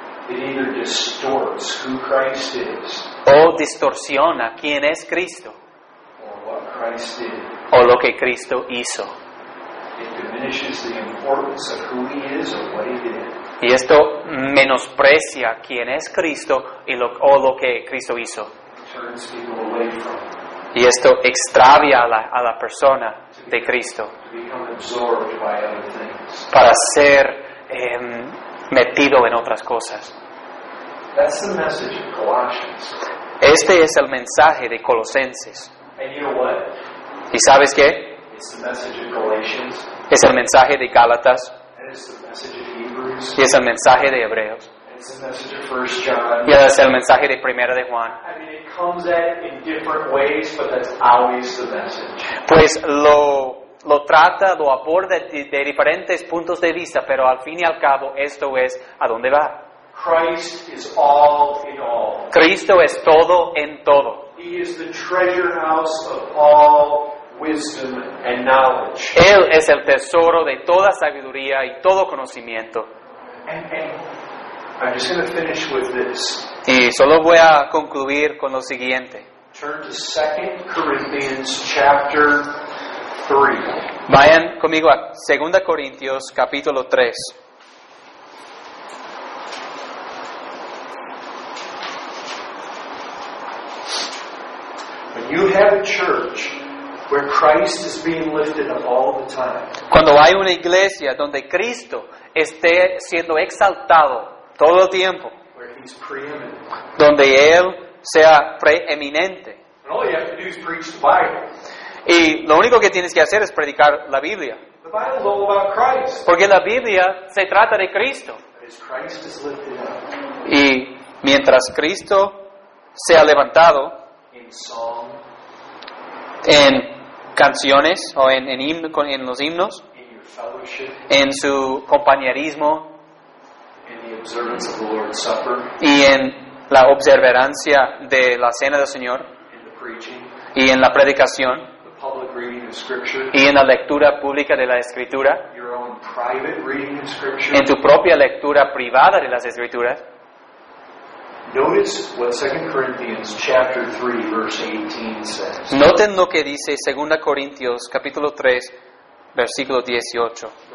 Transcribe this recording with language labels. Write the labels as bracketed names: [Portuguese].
[English] it either distorts who Christ is, [Spanish] o distorsiona quién es Cristo, [English] or what Christ did, [Spanish] o lo que Cristo hizo. [English] It diminishes the importance of who he is or what he did. [Spanish] Y esto menosprecia quién es Cristo y o lo que Cristo hizo. [English] Turns people away from. [Spanish] Y esto extravia a la persona de Cristo. [English] To become absorbed by other things. [Spanish] Para ser metido en otras cosas. [English] That's the message of Colossians. [Spanish] Este es el mensaje de Colosenses. [English] And you know what? [Spanish] ¿Y sabes qué? [English] It's the message of Galatians. [Spanish] Es el mensaje de Gálatas. [English] It's the message of Hebrews. [Spanish] Y es el mensaje de Hebreos. [English] It's the message of 1 John. Y [Spanish] es el mensaje de Primera de Juan. [English] I mean, it comes at it in different ways, but that's always the message. [Spanish] Pues lo trata, lo aborda de diferentes puntos de vista, pero al fin y al cabo esto es a dónde va. [English] Christ is all in all. [Spanish] Cristo es todo en todo. [English] He is the treasure house of all wisdom and knowledge. [Spanish] Él es el tesoro de toda sabiduría y todo conocimiento. [English] And I'm just going to finish with this. [Spanish] Y solo voy a concluir con lo siguiente. [English] Turn to 2 Corinthians chapter 3. [Spanish] Vayan conmigo a 2 Corintios capítulo 3. [English] When you have a church where Christ is being lifted up all the time. [Spanish] Cuando hay una iglesia donde Cristo esté siendo exaltado todo el tiempo. [English] Where he's preeminent. [Spanish] Donde él sea preeminente. [English] And all you have to do is preach the Bible. [Spanish] Y lo único que tienes que hacer es predicar la Biblia. [English] The Bible is all about Christ. [Spanish] Porque la Biblia se trata de Cristo. [English] Christ is lifted up. [Spanish] Y mientras Cristo sea levantado [English] in song, [Spanish] en canciones o en los himnos, [English] in your fellowship, [Spanish] en su compañerismo, [English] in the observance of the Lord's Supper, [Spanish] y en la observancia de la cena del Señor, [English] in the preaching, [Spanish] y en la predicación, [English] public reading of scripture, [Spanish] y en la lectura pública de la Escritura, [English] your own private reading of scripture, [Spanish] en tu propia lectura privada de las Escrituras. [English] Notice what 2 Corinthians chapter 3 verse 18 says. [Spanish] Noten lo que dice 2 Corintios capítulo 3 versículo 18.